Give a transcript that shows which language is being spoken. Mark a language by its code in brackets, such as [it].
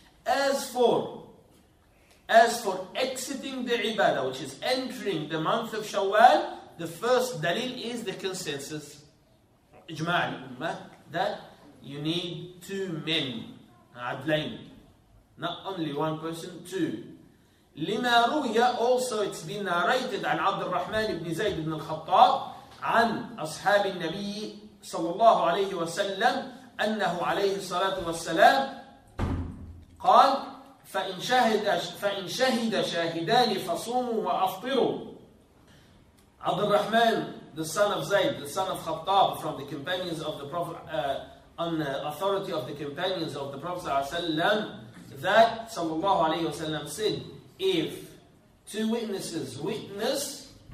[en] As for exiting the ibadah, which is entering the month of Shawwal, the first dalil is the consensus, ijma' al-ummah, that you need two men, adlain, not only one person, two. [ar] Lima ruya, [en] also it's been narrated [ar] an Abdul Rahman ibn Zayd ibn al-Khattab an ashab al-Nabi sallallahu alayhi wa sallam. أنه عليه الصلاة والسلام قال فإن شهد شاهدان فصوموا وأفطروا. [en] عبد الرحمن, the son of Zayd, the son of Khattab, from the companions of the Prophet, on the authority of the companions of the Prophet وسلم, that صلى الله عليه وسلم said, if two witnesses witness,